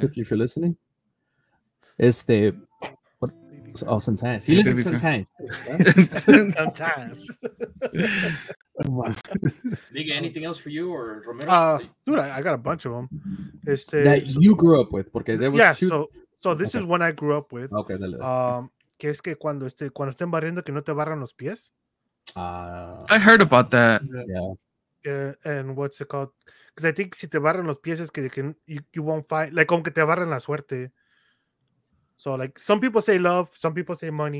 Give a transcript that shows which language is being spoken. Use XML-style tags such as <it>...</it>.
<en>Cookie, if you're listening. What? Oh, sometimes. He listens sometimes. Sometimes. Miguel, anything else for you or Romero? Dude, I got a bunch of them. That you grew up with, because there was This is one I grew up with. Okay, dale.</en> <es>Que es que cuando estén barriendo que no te barran los pies.</es> <en>I heard about that. Yeah. And what's it called? Because I think</en> <es>si te barran los pies es que</es> <en>you won't fight. Like,</en> <es>como que te barran la suerte.</es> <en>So, like, some people say love, some people say money.</en>